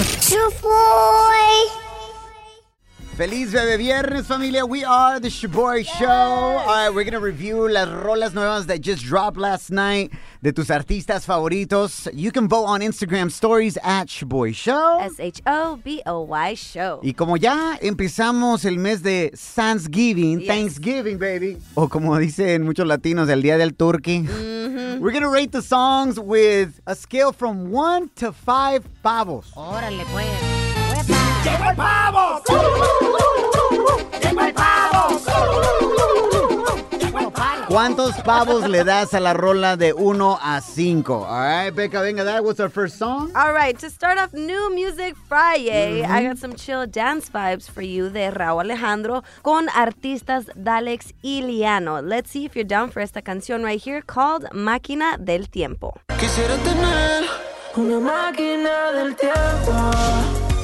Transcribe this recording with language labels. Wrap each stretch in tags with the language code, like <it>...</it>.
<es>Shaboy. Feliz Bebe Viernes, familia.</es> <en>We are the Shaboy Show. All right, we're going to review</en> <es>las rolas nuevas</es> <en>that just dropped last night</en> <es>de tus artistas favoritos.</es> <en>You can vote on Instagram stories at Shaboy Show. S-H-O-B-O-Y Show.</en> <es>Y como ya empezamos el mes de Thanksgiving, yes.</es> <en>Thanksgiving, baby.</en> <es>O como dicen muchos latinos, el Día del Turkey. Mm-hmm.</es> <en>We're going to rate the songs with a scale from 1 to 5 pavos.</en> <es>Órale, pues. ¡Llegó el pavo! ¡Llegó el pavo! ¿Cuántos pavos le das a la rola de 1 a 5?</es> <en>All right, Becca, venga, that was our first song. All right, to start off New Music Friday, mm-hmm. I got some chill dance vibes for you</en> <es>de Raúl Alejandro con artistas Dalex y Liano.</es> <en>Let's see if you're down for</en> <es>esta canción</es> <en>right here called Máquina del Tiempo.</en> <es>Quisiera tener una máquina del tiempo.</es>